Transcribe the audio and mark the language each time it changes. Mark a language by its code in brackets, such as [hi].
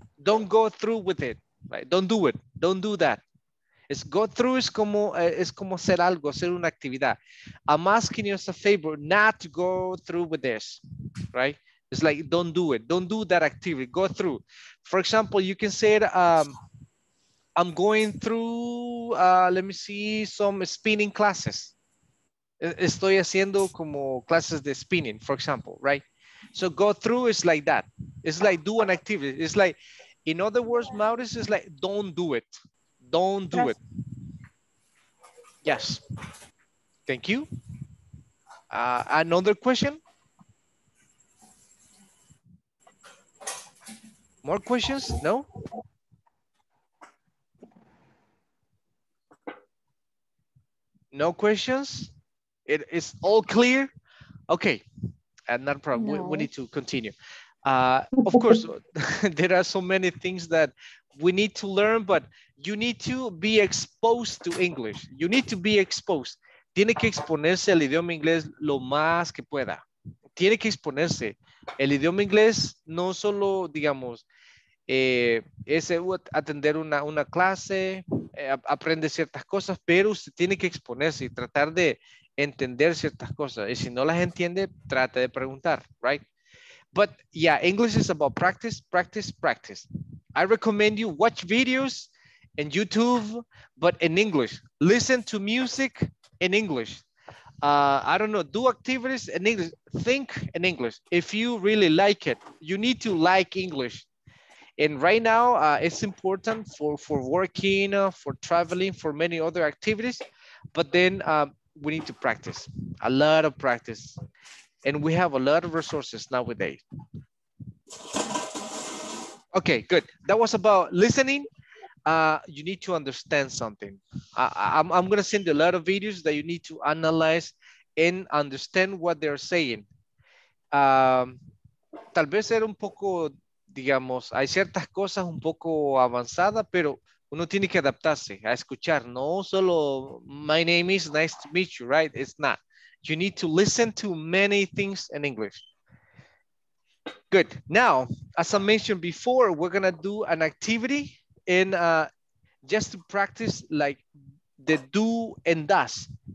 [en] Don't go through with it, right? Don't do it. Don't do that. It's go through is [es] como hacer algo, hacer una actividad. [en] I'm asking you as a favor not to go through with this, right? It's like, don't do it. Don't do that activity. Go through. For example, you can say, I'm going through, some spinning classes. [es] Estoy haciendo como clases de spinning, [en] for example, right? So go through is like that. It's like do an activity. It's like, in other words, Maurice is like, don't do it. Don't do it. Yes. Thank you. Another question? More questions? No? No questions? It is all clear? Okay. And not a problem. No. We need to continue. Of course, there are so many things that we need to learn, but you need to be exposed to English. You need to be exposed. [es] Tiene que exponerse al idioma inglés lo más que pueda. Tiene que exponerse. El idioma inglés no solo, digamos, es atender una clase, aprende ciertas cosas, pero usted tiene que exponerse y tratar de entender ciertas cosas. Y si no las entiende, trate de preguntar, right? [en] But yeah, English is about practice, practice, practice. I recommend you watch videos in YouTube, but in English. Listen to music in English. I don't know, do activities in English. Think in English. If you really like it, you need to like English. And right now, it's important for working, for traveling, for many other activities. But then we need to practice, a lot of practice. And we have a lot of resources nowadays. Okay, good. That was about listening. You need to understand something. I'm going to send a lot of videos that you need to analyze and understand what they're saying. [es] Tal vez era un poco, digamos, hay ciertas cosas un poco avanzadas, pero uno tiene que adaptarse a escuchar. No solo, [en] my name is, nice to meet you, right? It's not. You need to listen to many things in English. Good. Now, as I mentioned before, we're going to do an activity in just to practice like the do and does.